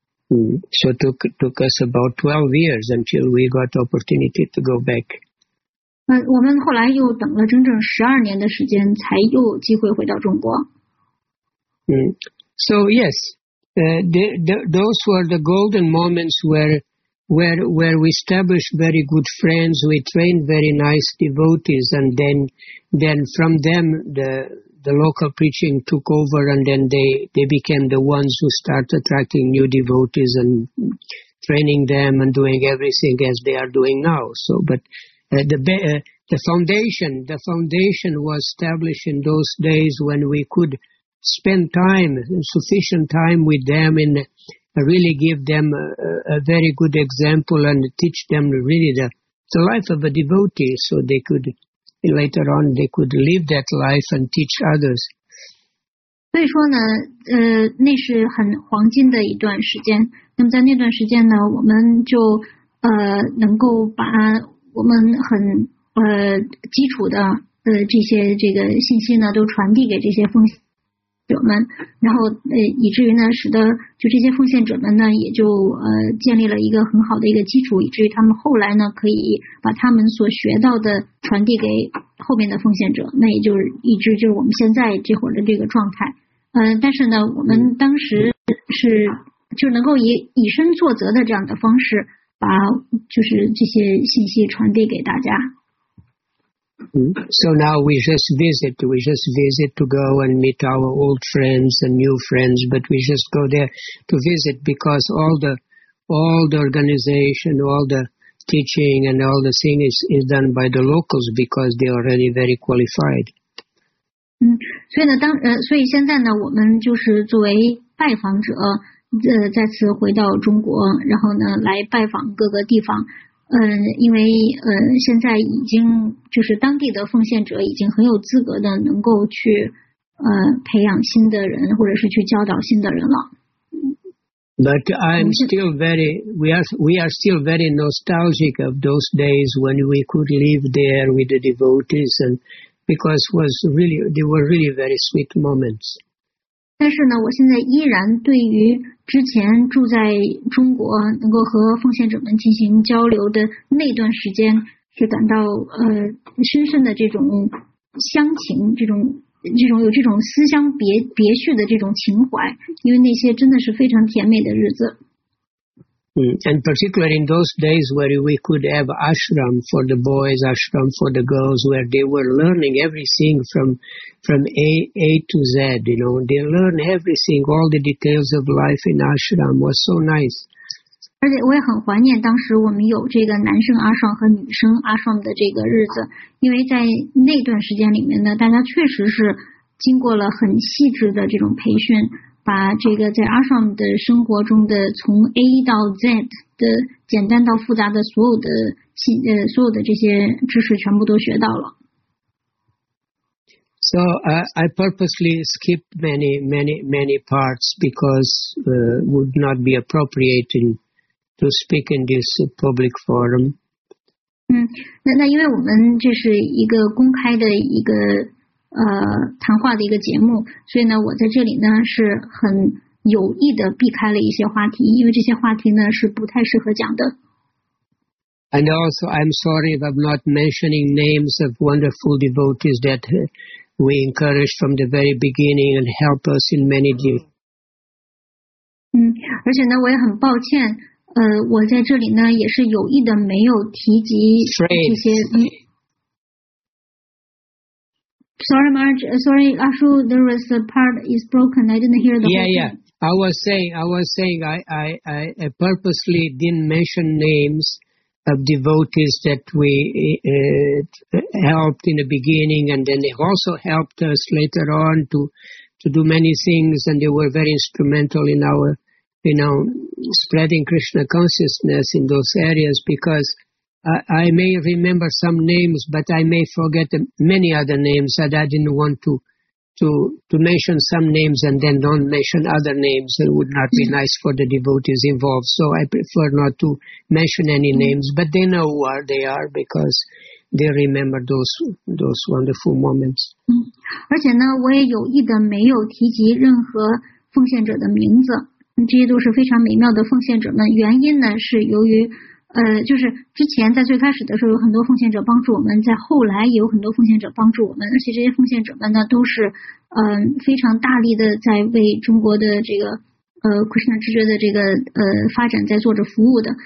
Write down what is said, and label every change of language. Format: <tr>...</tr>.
<en>So took us about 12 years until we got opportunity to go back.</en> <zh>我们后来又等了整整12年的时间才又有机会回到中国。</zh> <en>So yes, those were the golden moments where we established very good friends, we trained very nice devotees, and then from them the local preaching took over, and then they became the ones who start attracting new devotees and training them and doing everything as they are doing now. So, but the foundation was established in those days when we could spend time, sufficient time with them in really give them a very good example and teach them really the life of a devotee, so they could later on they could live that life and teach others.</en> <zh>所以说呢，那是很黄金的一段时间。那么在那段时间呢，我们就能够把我们很基础的这些这个信息呢，都传递给这些奉献者们，然后以至于呢使得就这些奉献者们呢也就建立了一个很好的一个基础，以至于他们后来呢可以把他们所学到的传递给后面的奉献者，那也就是一直就是我们现在这会儿的这个状态。但是呢我们当时是就能够以身作则的这样的方式把就是这些信息传递给大家。</zh> <en>So now we just visit to go and meet our old friends and new friends, but we just go there to visit because all the organization, all the teaching and all the thing is done by the locals because they are already very qualified.</en> <zh>所以呢当所以现在呢我们就是作为拜访者再次回到中国，然后呢来拜访各个地方。因为现在已经就是当地的奉献者已经很有资格的能够去培养新的人或者是去教导新的人了。</zh> <en>But I'm still we are still very nostalgic of those days when we could live there with the devotees and because they were really very sweet moments.</en> <zh>但是呢，我现在依然对于之前住在中国能够和奉献者们进行交流的那段时间是感到深深的这种乡情，这种有这种思乡别绪的这种情怀，因为那些真的是非常甜美的日子。</zh> <en>And particularly in those days where we could have ashram for the boys, ashram for the girls, where they were learning everything from A to Z, you know, they learn everything, all the details of life in ashram was so nice.</en> <zh>而且我也很怀念当时我们有这个男生 ashram 和女生 ashram 的这个日子，因为在那段时间里面呢，大家确实是经过了很细致的这种培训，把这个在 ashram 的生活中的从 A 到 Z 的简单到复杂的所有的这些知识全部都学到了。</zh> <en>So I purposely skipped many many many parts because would not be appropriate to speak in this public forum.</en> <zh>那因为我们这是一个公开的一个谈话的一个节目，所以呢我在这里呢是很有意的避开了一些话题，因为这些话题呢是不太适合讲的。</zh> <en>And also I'm sorry if I'm not mentioning names of wonderful devotees that we encouraged from the very beginning and helped us in many ways.</en> <zh>而且呢我也很抱歉我在这里呢也是有意的没有提及这些。</zh> <en>Sorry, Marge. Sorry, Ashu, there was a part is broken. I didn't hear the whole thing. Yeah. I purposely didn't mention names of devotees that we helped in the beginning, and then they also helped us later on to do many things, and they were very instrumental in our, you know, spreading Krishna consciousness in those areas, because I may remember some names, but I may forget many other names, and I didn't want to mention some names and then don't mention other names. It would not be nice for the devotees involved. So I prefer not to mention any names, but they know who they are because they remember those wonderful moments.</en> <zh>而且呢，我也有意的没有提及任何奉献者的名字。这些都是非常美妙的奉献者们。原因呢，是由于就是之前在最开始的时候有很多奉献者帮助我们，在后来也有很多奉献者帮助我们，而且这些奉献者们呢都是非常大力的在为中国的这个Krishna 知觉的这个发展在做着服务的。</zh>